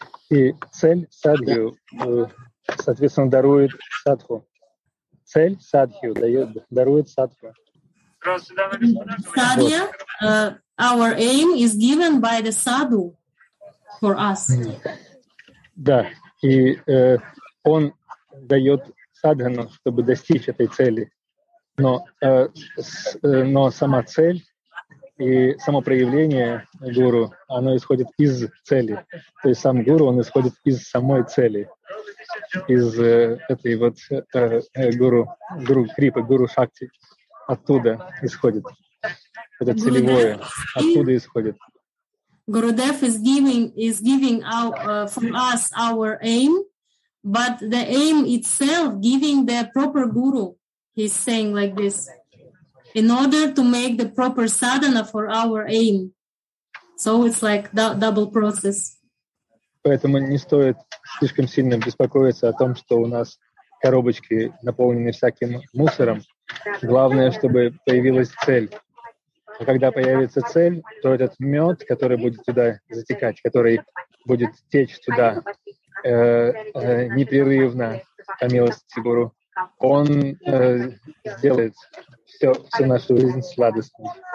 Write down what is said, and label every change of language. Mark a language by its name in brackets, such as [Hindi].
[Russian] И цель садхью, соответственно, дарует садху. Цель садхью дарует садху. [English] Садья, our aim is given by the sadhu for us. [Russian] Да, и он дает садхану, чтобы достичь этой цели. Но сама цель и само проявление гуру, оно исходит из цели. То есть сам гуру, он исходит из самой цели, из этой вот гуру Крипы, гуру Шакти. Оттуда исходит. Это целевое. Оттуда исходит. [English] Gurudev is giving out from us our aim, but the aim itself giving the proper guru. He's saying like this. In order to make the proper sadhana for our aim. So it's like double process. [Russian] Поэтому не стоит слишком сильно беспокоиться о том, что у нас коробочки наполнены всяким мусором. Главное, чтобы появилась цель. А когда появится цель, то этот мед, который будет туда затекать, который будет течь туда непрерывно, по милости гуру, он сделает всю нашу жизнь сладостной.